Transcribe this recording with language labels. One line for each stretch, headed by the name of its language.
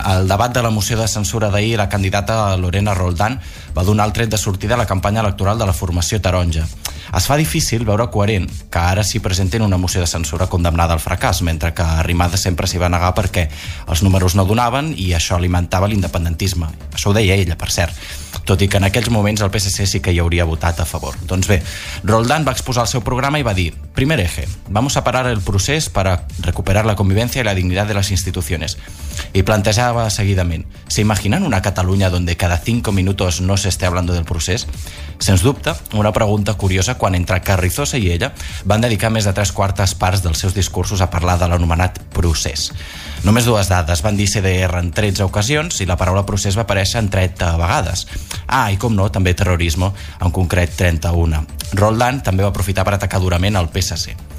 Catalan: Al debat de la moció de censura d'ahir, la candidata Lorena Roldán va donar el tret de sortida a la campanya electoral de la formació taronja. Es fa difícil veure coherent que ara s'hi presentin una moció de censura condemnada al fracàs, mentre que Arrimadas sempre s'hi va negar perquè els números no donaven i això alimentava l'independentisme. Això ho deia ella, per cert, tot i que en aquells moments el PSC sí que hi hauria votat a favor. Doncs bé, Roldán va exposar el seu programa i va dir:
Spanish: primer eje, vamos a parar el procés para recuperar la convivencia y la dignidad de las instituciones.
Catalan: I plantejava seguidament:
Spanish: ¿se imaginan una Catalunya donde cada 5 minutos no se esté hablando del procés?
Catalan: Sens dubte, una pregunta curiosa quan entre Carrizosa i ella van dedicar més de 3/4 parts dels seus discursos a parlar de l'anomenat procés. Només dues dades, van dir CDR en 13 ocasions i la paraula procés va aparèixer en 30 vegades. Ah, i com no, també terrorisme, en concret 31. Roldán també va aprofitar per atacar durament el PSC.